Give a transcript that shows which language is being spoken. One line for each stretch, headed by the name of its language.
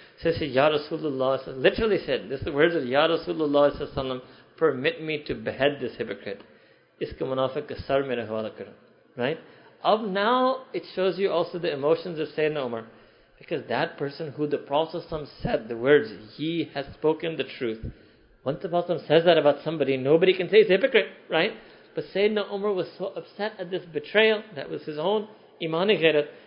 English: So he said, Ya Rasulullah, literally said, this is the words of Ya Rasulullah, permit me to behead this hypocrite.
Urdu: اسکا منافق کا سر میرے حوالہ کر۔
English: Right? Of now, it shows you also the emotions of Sayyidina Umar. Because that person who the Prophet said the words, he has spoken the truth. Once the Prophet says that about somebody, nobody can say he's a hypocrite, right? But Sayyidina Umar was so upset at this betrayal, that was his own imani ghairat.